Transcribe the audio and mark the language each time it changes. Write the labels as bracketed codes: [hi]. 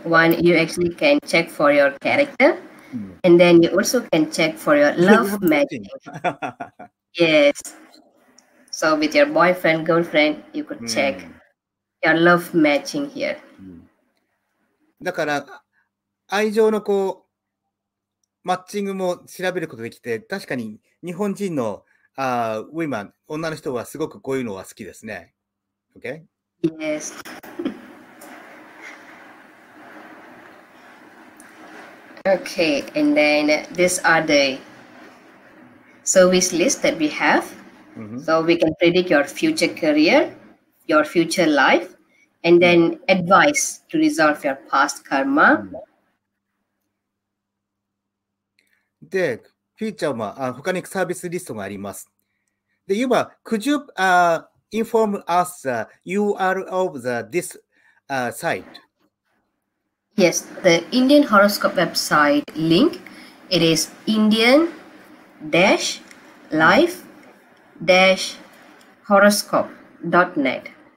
[en] One, you actually can check for your character. And then you also can check for your love magic. Yes. So with your boyfriend, girlfriend, you could check your love matching here. [ja] だから愛情のこうマッチングも調べることできて、確かに日本人のウィーマン、女の人はすごくこういうのは好きですね。 [en] OK? Yes. Okay, and then these are the service list that we have. So we can predict your future career, your future life, and then advice to resolve your past karma. [ja] で、フィーチャーは他にサービスリストがあります。で、今、 [en] could you inform us the URL of the, this site? Yes, the Indian Horoscope website link, it is indian-life-horoscope.net.